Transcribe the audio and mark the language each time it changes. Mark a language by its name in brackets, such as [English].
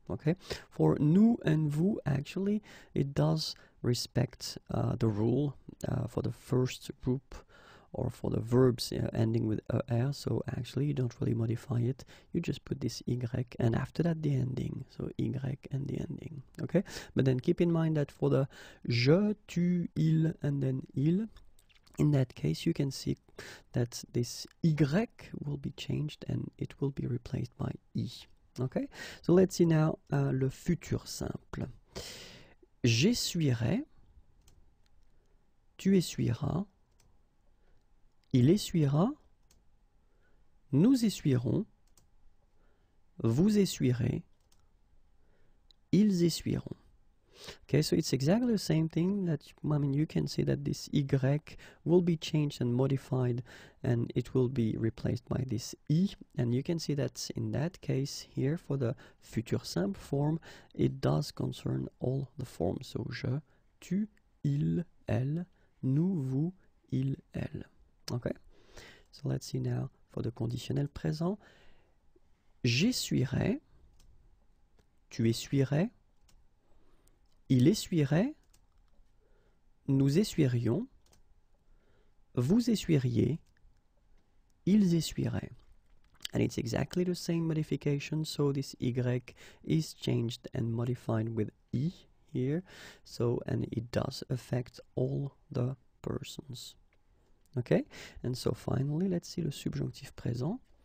[English] Okay, for nous and vous, actually, it does respect the rule for the first group or for the verbs ending with ER, so actually you don't really modify it, you just put this Y and after that the ending, so Y and the ending, okay? But then keep in mind that for the je, tu, il, and then il, in that case you can see that this Y will be changed and it will be replaced by E, okay? So let's see now le futur simple. [French] J'essuierai, tu essuieras, il essuiera, nous essuierons, vous essuierez, ils essuieront. [English] Okay, so it's exactly the same thing that, I mean, you can see that this Y will be changed and modified and it will be replaced by this E. And you can see that in that case here for the futur simple form, it does concern all the forms. So je, tu, il, elle, nous, vous, il, elle. Okay, so let's see now for the conditionnel présent. [French] J'essuierai, tu essuierais, il essuierait, nous essuierions, vous essuieriez, ils essuieraient. [English] And it's exactly the same modification, so this Y is changed and modified with E here, so, and it does affect all the persons. Okay, and so finally, let's see le subjonctif présent.